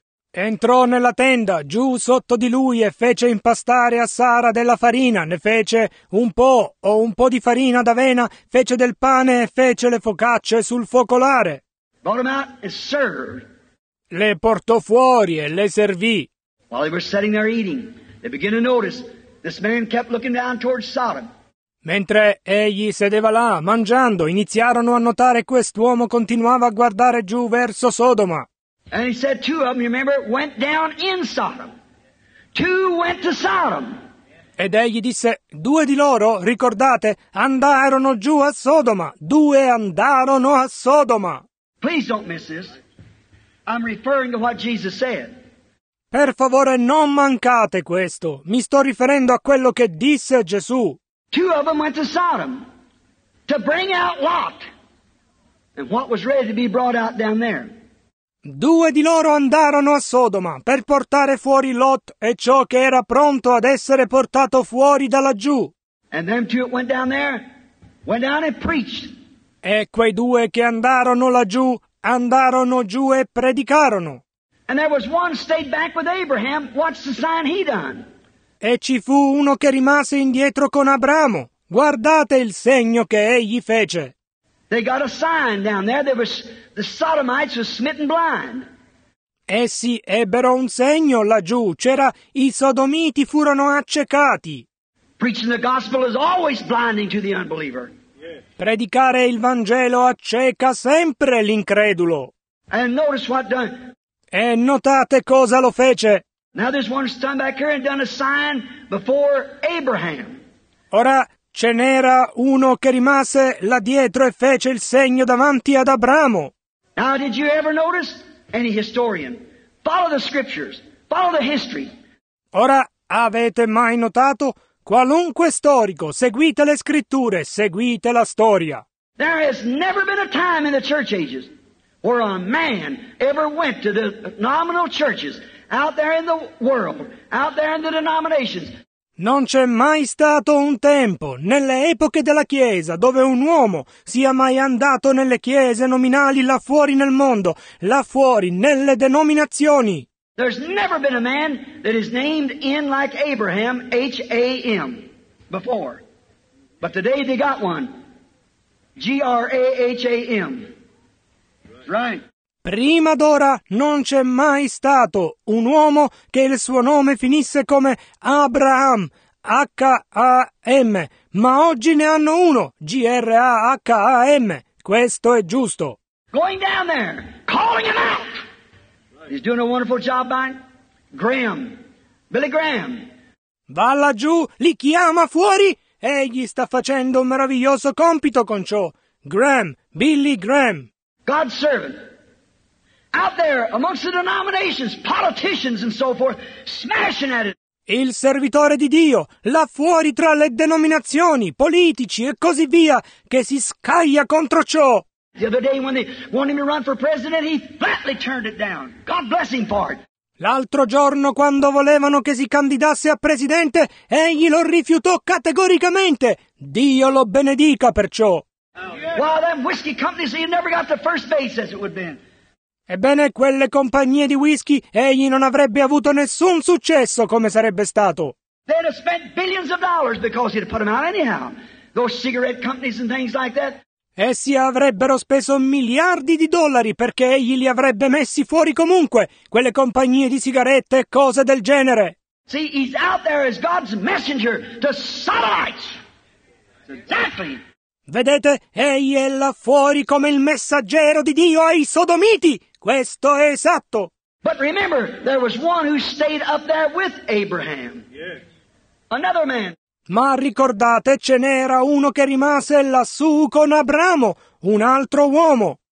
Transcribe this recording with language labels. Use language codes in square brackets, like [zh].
[it] Entrò nella tenda, giù sotto di lui, e fece impastare a Sara della farina, ne fece un po', o un po' di farina d'avena, fece del pane e fece le focacce sul focolare. [en] Brought them out and served. [it] Le portò fuori e le servì. [en] While they were sitting there eating, they began to notice this man kept looking down towards Sodom. [it] Mentre egli sedeva là, mangiando, iniziarono a notare quest'uomo continuava a guardare giù verso Sodoma. [en] And he said two of them, remember, went down in Sodom. Two went to Sodom. [it] Ed egli disse, due di loro, ricordate, andarono giù a Sodoma. Due andarono a Sodoma. [en] Please don't miss this. I'm referring to what Jesus said. [it] Per favore, non mancate questo. Mi sto riferendo a quello che disse Gesù. [en] Two of them went to Sodom to bring out Lot and what was ready to be brought out down there. [it] Due di loro andarono a Sodoma per portare fuori Lot e ciò che era pronto ad essere portato fuori da laggiù. [en] And them two went down there, went down and preached. [it] E quei due che andarono laggiù andarono giù e predicarono. [en] And there was one stayed back with Abraham, watched the sign he done. [it] E ci fu uno che rimase indietro con Abramo. Guardate il segno che egli fece. [en] They got a sign down there. There was the Sodomites were smitten blind. [it] Essi ebbero un segno laggiù. C'era i sodomiti furono accecati. [en] Preaching the gospel is always blinding to the unbeliever. [it] Predicare il Vangelo acceca sempre l'incredulo. [en] And notice what done. [it] E notate cosa lo fece. [en] Now there's one stand back here and done a sign before Abraham. [it] Ora ce n'era uno che rimase là dietro e fece il segno davanti ad Abramo. [en] Now did you ever notice any historian? Follow the scriptures, follow the history. [it] Ora avete mai notato qualunque storico? Seguite le scritture, seguite la storia. [en] There has never been a time in the church ages where a man ever went to the nominal churches out there in the world, out there in the denominations. [it] Non c'è mai stato un tempo, nelle epoche della Chiesa, dove un uomo sia mai andato nelle chiese nominali là fuori nel mondo, là fuori, nelle denominazioni. [en] There's never been a man that is named in like Abraham, H-A-M, before. But today they got one, G-R-A-H-A-M. Right. [it] Prima d'ora non c'è mai stato un uomo che il suo nome finisse come Abraham, H-A-M, ma oggi ne hanno uno, G-R-A-H-A-M. Questo è giusto. [en] Going down there, calling him out. He's doing a wonderful job by Graham, Billy Graham. [it] Va laggiù, li chiama fuori, egli sta facendo un meraviglioso compito con ciò. [en] Graham, Billy Graham. God's servant. Out there, amongst the denominations, politicians and so forth, smashing at it. [it] Il servitore di Dio, là fuori tra le denominazioni, politici e così via, che si scaglia contro ciò. [en] The other day when they wanted him to run for president, he flatly turned it down. God bless him for it. [it] L'altro giorno, quando volevano che si candidasse a presidente, egli lo rifiutò categoricamente. Dio lo benedica per ciò. [en] Wow, them whiskey companies, he never got to first base as it would have been. [it] Ebbene, quelle compagnie di whisky, egli non avrebbe avuto nessun successo come sarebbe stato. [en] They'd have spent billions of dollars because he'd put them out anyhow. Those cigarette companies and things like that. [it] Essi avrebbero speso miliardi di dollari perché egli li avrebbe messi fuori comunque, quelle compagnie di sigarette e cose del genere. [en] See, he's out there as God's messenger to Sodomites. Exactly. [it] Vedete, egli è là fuori come il messaggero di Dio ai sodomiti. Questo è esatto. [en] But remember, there was one who stayed up there with Abraham. Yes. Another man. [it] Ma ricordate, ce n'era uno che rimase lassù con Abramo, un altro uomo.